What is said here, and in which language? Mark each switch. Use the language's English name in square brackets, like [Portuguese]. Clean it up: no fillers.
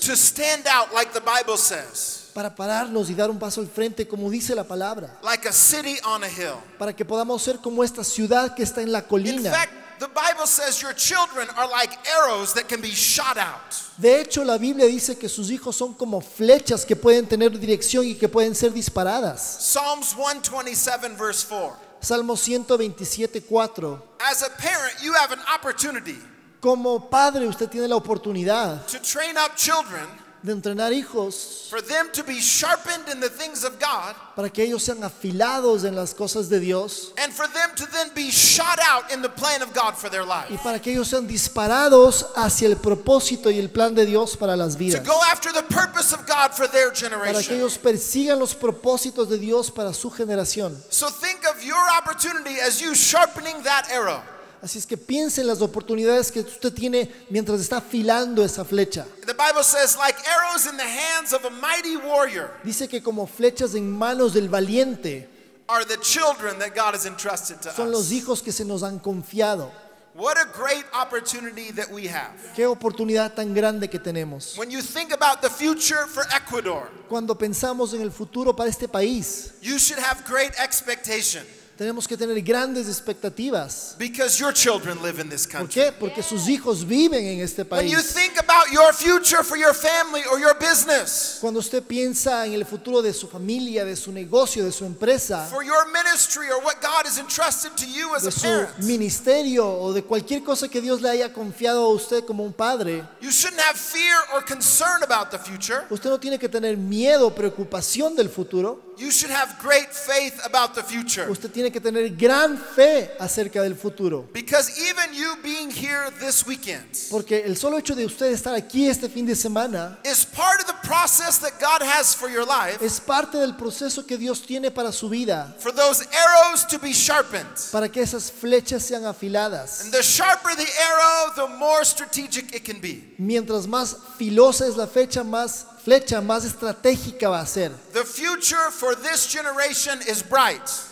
[English] To stand out like the Bible says. [Spanish] Para pararnos y dar un paso al frente como dice la palabra. [English] Like a city on a hill. [Spanish] Para que podamos ser como esta ciudad que está en la colina. [English] In fact, the Bible says your children are like arrows that can be shot out. [Spanish] De hecho, la Biblia dice que sus hijos son como flechas que pueden tener dirección y que pueden ser disparadas. [English] Psalms 127 verse 4. [Spanish] Salmo 127:4. [English] As a parent, you have an opportunity. [Spanish] Como padre, usted tiene la oportunidad. [English] To train up children. [Spanish] De entrenar hijos. [English] For them to be sharpened in the things of God. [Spanish] Para que ellos sean afilados en las cosas de Dios. [English] And for them to then be shot out in the plan of God for their life. [Spanish] Y para que ellos sean disparados hacia el propósito y el plan de Dios para las vidas. [English] To go after the purpose of God for their generation. [Spanish] Para que ellos persigan los propósitos de Dios para su generación. [English] So think of your opportunity as you sharpening that arrow. [Spanish] Así es que piense en las oportunidades que usted tiene mientras está afilando esa flecha. [English] The Bible says, like arrows in the hands of a mighty warrior. [Spanish] Dice que como flechas en manos del valiente. [English] Are the children that God has entrusted to us. [Spanish] Son los hijos que se nos han confiado. [English] What a great opportunity that we have. [Spanish] Qué oportunidad tan grande que tenemos. [English] When you think about the future for Ecuador. [Spanish] Cuando pensamos en el futuro para este país. [English] You should have great expectation. [Spanish] Tenemos que tener grandes expectativas. [English] Because your children live in this country. [Spanish] ¿Por qué? Porque sus hijos viven en este país. [English] When you think about your future for your family or your business. [Spanish] Cuando usted piensa en el futuro de su familia, de su negocio, de su empresa. [English] For your ministry or what God has entrusted to you as a parent. [Spanish] De su ministerio o de cualquier cosa que Dios le haya confiado a usted como un padre. [English] You shouldn't have fear or concern about the future. [Spanish] Usted no tiene que tener miedo o preocupación del futuro. [English] You should have great faith about the future. [Spanish] Usted tiene que tener gran fe acerca del futuro. [English] Because even you being here this weekend. [Spanish] Porque el solo hecho de usted estar aquí este fin de semana. [English] Is part of the process that God has for your life. [Spanish] Es parte del proceso que Dios tiene para su vida. [English] For those arrows to be sharpened. [Spanish] Para que esas flechas sean afiladas. [English] And the sharper the arrow, the more strategic it can be. [Spanish] Mientras más filosa es la flecha, más flecha más estratégica va a ser. [English] The future for this generation is bright.